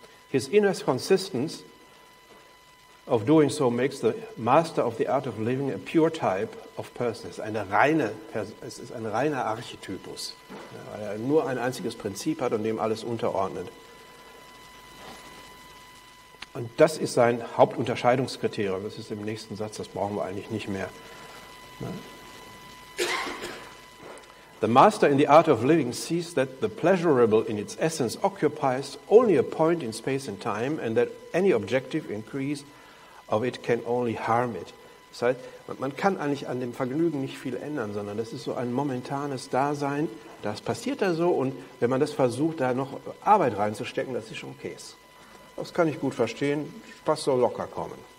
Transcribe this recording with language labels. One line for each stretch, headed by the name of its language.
English: His inner consistence of doing so makes the master of the art of living a pure type of person.
German: Es ist ein reiner Archetypus, weil er nur ein einziges Prinzip hat und dem alles unterordnet. Und das ist sein Hauptunterscheidungskriterium. Das ist im nächsten Satz, das brauchen wir eigentlich nicht mehr.
English: The master in the art of living sees that the pleasurable in its essence occupies only a point in space and time and that any objective increase of it can only harm it.
German: Das heißt, man kann eigentlich an dem Vergnügen nicht viel ändern, sondern das ist so ein momentanes Dasein. Das passiert da so und wenn man das versucht, da noch Arbeit reinzustecken, das ist schon Käse. Das kann ich gut verstehen. Spaß soll locker kommen.